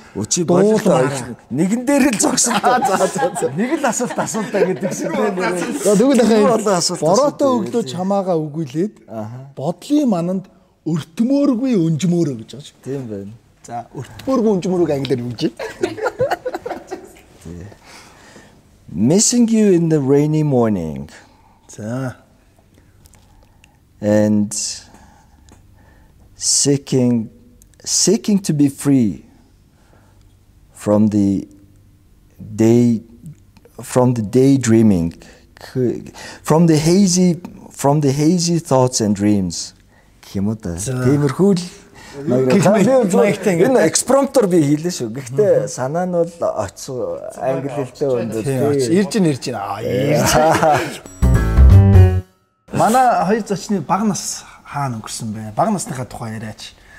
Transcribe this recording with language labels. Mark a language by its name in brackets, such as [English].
[Mongolian] өчи бодлоо нэгэн дээр л зогсон. За за за. Нэг л асуулт асуултаа гэдэг шиг тийм нэг. За дүгэл ахаа болоо асуулт. Бороотой өглөө чамаага өгүүлээд бодлын мананд өртмөөргүй өнжмөөрөө гэж байгаа шүү. Тийм байна. За өртмөөргүй өнжмөөрөө англиар юм чинь. [English] Missing you in the rainy morning. [Mongolian] За. [English] And seeking to be free from the daydreaming, from the hazy thoughts and dreams. [Mongolian] Кимота. Тиймэрхүү л. Энэ экспромтор би хийлээ шүү. Гэхдээ санаа нь бол оц англилтэй өндөр. Ирж ин. Манай хоёр зочны баг нас хаана өнгөрсөн бэ? Баг насныхаа тухай яриач.